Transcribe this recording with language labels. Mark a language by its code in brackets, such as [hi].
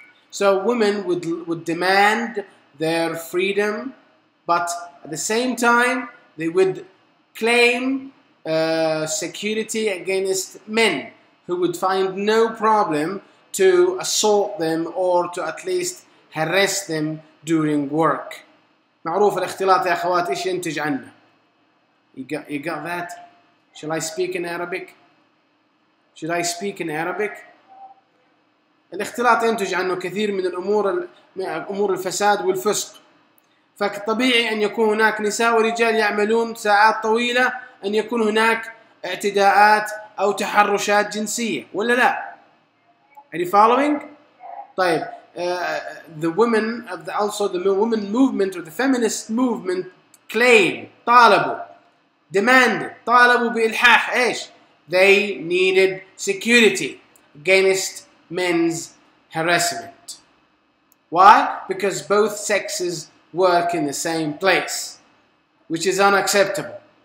[en] So women would demand their freedom, but at the same time, they would claim security against men who would find no problem to assault them or to at least harass them during work. [ar] معروف الاختلاط يا أخوات إيش ينتج عنه. [en] You got that? Shall I speak in Arabic? Should I speak in Arabic? [ar] الاختلاط ينتج عنه كثير من الأمور الفساد والفسق. فطبيعي أن يكون هناك نساء ورجال يعملون ساعات طويلة أن يكون هناك اعتداءات أو تحرشات جنسية ولا لا؟ [en] Are you following? طيب the women movement or the feminist movement claim طالبوا. [ar] Demanded, طالبوا بإلحاح إيش? [en] They needed security against men's harassment. Why? Because both sexes work in the same place, which is unacceptable.